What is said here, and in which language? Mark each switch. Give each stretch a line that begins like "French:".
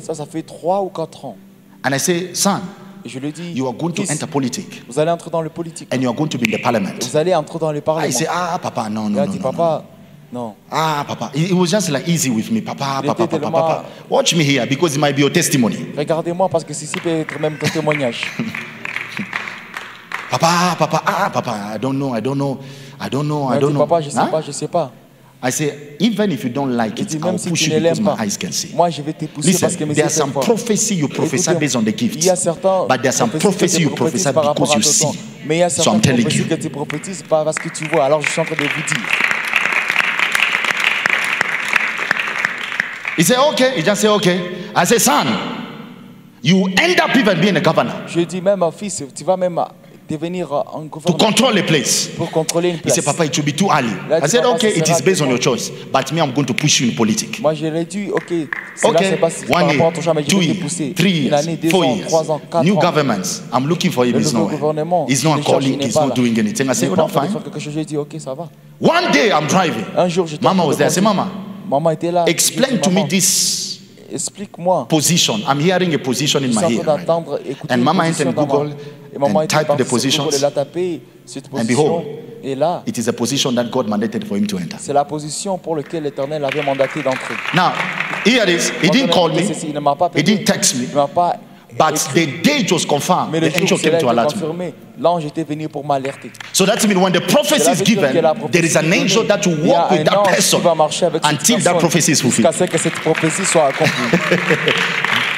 French: Ça fait 3 ou 4 ans.
English: And I say, son,
French: je lui dis,
English: you are going to enter politics.
French: Vous allez entrer dans le politique.
English: And you are going to be in the parliament.
French: Vous allez entrer dans le parlement.
English: I say, ah, papa,
French: non, non, dit, papa, non.
English: Ah, papa, it was just like easy with me, papa, papa, papa, papa, papa. Watch me here because it might be your testimony.
French: Regardez-moi parce que ceci peut être même ton témoignage.
English: Papa, papa, ah, papa, I don't know, I don't know. I don't know. I say, even if you don't like it, I'll push you because my eyes can see.
French: Moi, je vais te pousser.
English: Listen,
French: parce que mes
English: there are some prophecy you prophesy based on the gift.
French: Il y a certains,
English: but there are some prophecy you prophesy because you see.
French: Mais il y a certains prophéties que tu prophétises pas parce que tu vois. Alors, je suis en train de vous dire.
English: He said, okay. He just said, okay. I said, son, you end up even being a governor.
French: Je dis même, fils, tu vas même devenir un gouverneur.
English: To control a place.
French: Pour contrôler une place.
English: He said, papa, it will be too early. Là, I said, okay, it is based on your choice. But me, I'm going to push you in politics.
French: Moi, j'ai réduit, okay. Okay, pas,
English: one year,
French: ton choix,
English: two years, three years,
French: année,
English: four
French: ans,
English: years.
French: Trois ans, quatre
English: new
French: ans.
English: Governments, I'm looking for him.
French: Le nouveau gouvernement,
English: he's not calling, he's not doing anything. I said, oh, fine.
French: Quelque chose, j'ai dit, okay, ça va.
English: One day, I'm driving.
French: Un jour, je
English: Mama was there. I said,
French: Mama. Maman était là.
English: Explain to me this.
French: Explique-moi.
English: Position. I'm hearing a position in my ear. And Mama entered Google and typed the positions. And behold,
French: et là,
English: it is a position that God mandated for him to enter.
French: C'est la position pour laquelle l'Éternel avait mandaté d'entrer.
English: Now, here it is. He didn't call me.
French: Il ne m'a pas appelé.
English: He didn't text me.
French: Il ne m'a pas
English: but the day it was confirmed, the angel came to alert me.
French: L'ange était venu pour m'alerter.
English: So that means when the prophecy is given, there is an angel that will walk with that person
French: qui va marcher avec
English: until that prophecy is fulfilled.
French: Que cette prophétie soit accomplie.